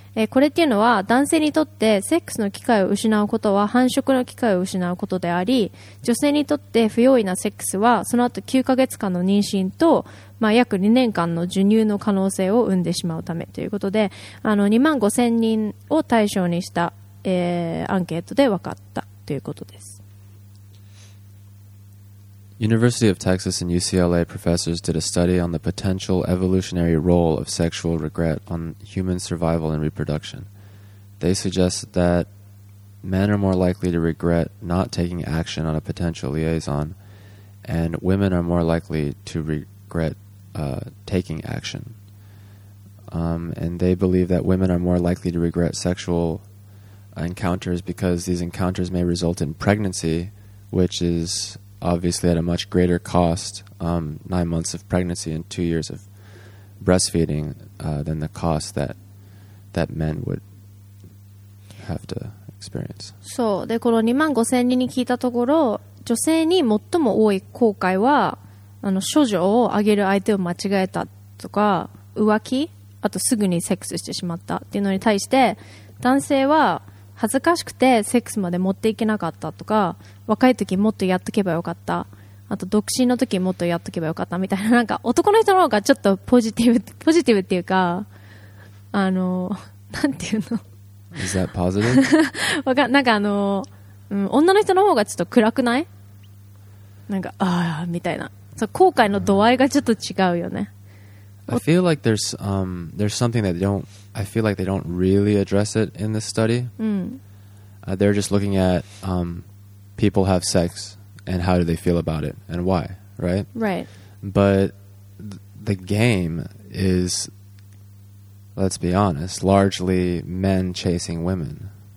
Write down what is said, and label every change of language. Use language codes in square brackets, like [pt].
[ja] これっていうのは男性にとってセックスの機会を失うことは繁殖の機会を失うことであり、女性にとって不用意なセックスはその後9ヶ月間の妊娠と、まあ、約2年間の授乳の可能性を生んでしまうためということで、2万5000人を対象にした、アンケートで分かったということです。 [en] University of Texas and UCLA professors did a study on the potential evolutionary role of sexual regret on human survival and reproduction. They suggest that men are more likely to regret not taking action on a potential liaison, and women are more likely to regret taking action. And they believe that women are more likely to regret sexual encounters because these encounters may result in pregnancy, which is obviously at a much greater cost, 9 months of pregnancy and 2 years of breastfeeding, than the cost that men would have to experience. [ja] そう。で、この2万5000人に聞いたところ、女性に最も多い後悔は、処女をあげる相手を間違えたとか、浮気、あとすぐにセックスしてしまったっていうのに対して、男性は恥ずかしくてセックスまで持っていけなかったとか、若い時もっとやっとけばよかった、あと独身の時もっとやっとけばよかったみたいな、なんか男の人の方がちょっとポジティブっていうか、なんていうの、 [en] Is that positive? [ja] なんか女の人の方がちょっと暗くない、なんかみたいな、そう、後悔の度合いがちょっと違うよね。 [en] I feel like there's something that they don't really address it in this study. They're just looking at people have sex and how do they feel about it and why, right? Right. But the game is, let's be honest, largely men chasing women.